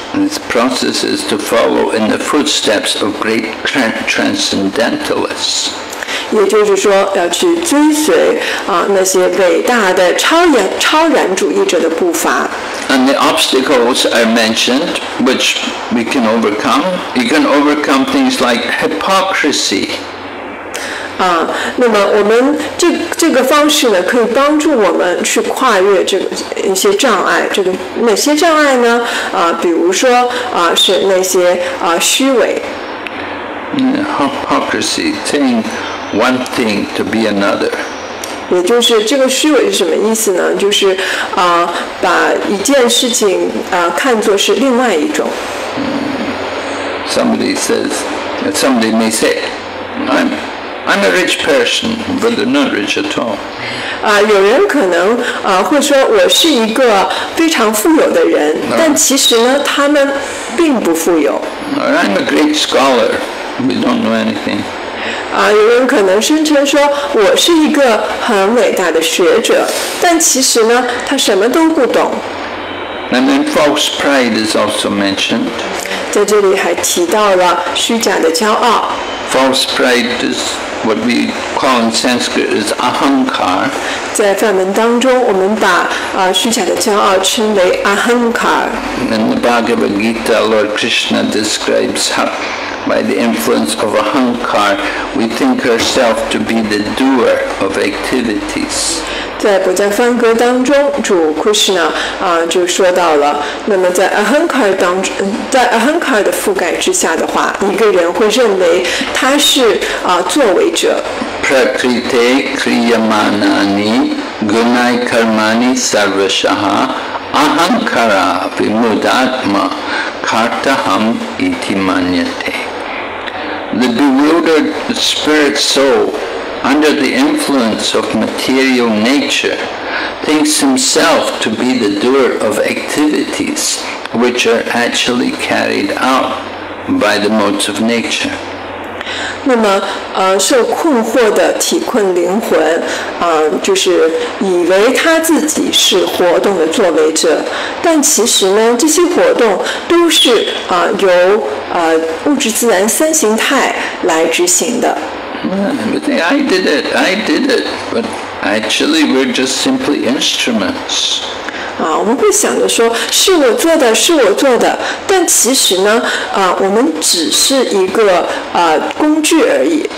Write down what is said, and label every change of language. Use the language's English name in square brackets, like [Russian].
[English] This process is to follow in the footsteps of great transcendentalists. [Chinese] 也就是说要去追随那些伟大的超然主义者的步伐。 [English] And the obstacles I mentioned which we can overcome, you can overcome things like hypocrisy. [Chinese] 那么我们这个方式呢可以帮助我们去跨越这个一些障碍，这个哪些障碍呢？比如说是那些虚伪。 [English] Hypocrisy, saying one thing to be another. [Chinese] 也就是这个虚伪是什么意思呢？就是把一件事情看作是另外一种。 [English] Somebody says, somebody may say, I'm a rich person, but they're not rich at all. [Chinese] 有人可能会说我是一个非常富有的人，但其实呢，他们并不富有。 [English] Or I'm a great scholar. We don't know anything. [Chinese] 有人可能声称说我是一个很伟大的学者，但其实呢，他什么都不懂。 [English] And then false pride is also mentioned. [Chinese] 在这里还提到了虚假的骄傲。 [English] False pride is what we call in Sanskrit is ahankar. [Chinese] 在梵文当中，我们把虚假的骄傲称为 ahankar. [English] In the Bhagavad Gita, Lord Krishna describes how. By the influence of ahankar, we think ourselves to be the doer of activities. [Chinese] 在不在梵歌当中，主 Krishna 就说到了。那么在 ahankar 当中，在 ahankar 的覆盖之下的话，一个人会认为他是作为者。 [Sanskrit] Prakrite kriyamanani gunai karmani sarvashah ahankara vimudatma kartaham iti manyate. [English] The bewildered spirit soul, under the influence of material nature, thinks himself to be the doer of activities which are actually carried out by the modes of nature. [Chinese] 那么受困惑的体困灵魂就是以为他自己是活动的作为者，但其实呢这些活动都是由物质自然三形态来执行的。 [English] I did it, but actually we're just simply instruments [Chinese] 我们会想着说是我做的，是我做的，但其实呢我们只是一个工具而已。